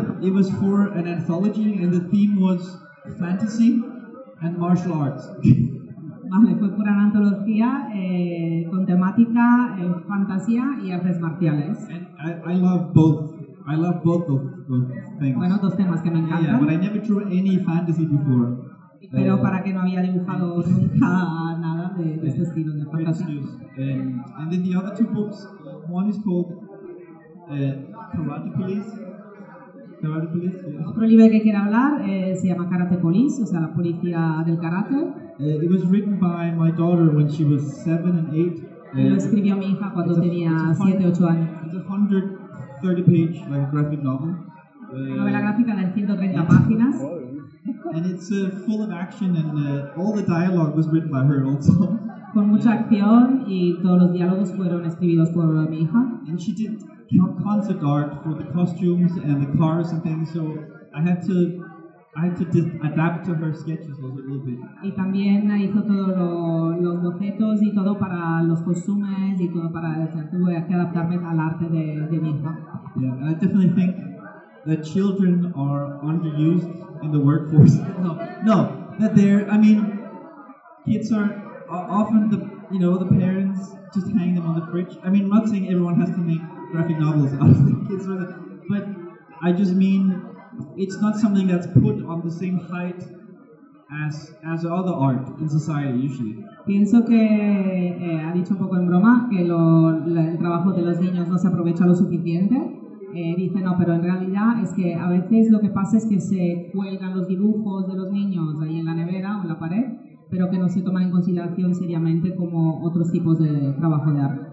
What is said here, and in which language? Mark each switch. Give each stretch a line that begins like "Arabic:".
English: It was for an anthology, and the theme was fantasy and martial arts.
Spanish: Vale, fue por una antología con temática fantasía y artes marciales.
English: And I love both of those things.
Spanish: Bueno, dos temas que me encantan.
English: Yeah, but I never drew any fantasy before.
Spanish: Pero para que no había dibujado nunca nada de este estilo de fantasía.
English: And then the other two books, one is called Karate Police. Karate Police, yeah.
Spanish: Otro libro que quiero hablar se llama Karate Police, o sea, la policía del karate.
English: It was written by my daughter when she was 7 and 8.
Spanish: Lo escribió mi hija cuando tenía 7 o 8 años.
English: It's a 130-page like graphic novel.
Spanish: Una novela gráfica de 130 páginas.
English: And it's full of action, and all the dialogue was written by her also.
Spanish: Con mucha acción y todos los diálogos fueron escritos por mi hija.
English: And she did concept art for the costumes and the cars and things, so I had to adapt to her sketches a little bit.
Spanish: Y también hizo todos los bocetos y todo para los costumes y todo para, o sea, tuve que adaptarme al arte de mi hija.
English: Yeah, I definitely think that children are underused in the workforce. No, that they're, I mean, kids are often the, you know, the parents just hang them on the fridge. I mean, I'm not saying everyone has to make graphic novels out of the kids, but I just mean, it's not something that's put on the same height as other art in society usually.
Spanish: Pienso que ha dicho un poco en broma que el trabajo de los niños no se aprovecha lo suficiente. Dice no, pero en realidad es que a veces lo que pasa es que se cuelgan los dibujos de los niños ahí en la nevera o en la pared, pero que no se toman en consideración seriamente como otros tipos de trabajo de arte.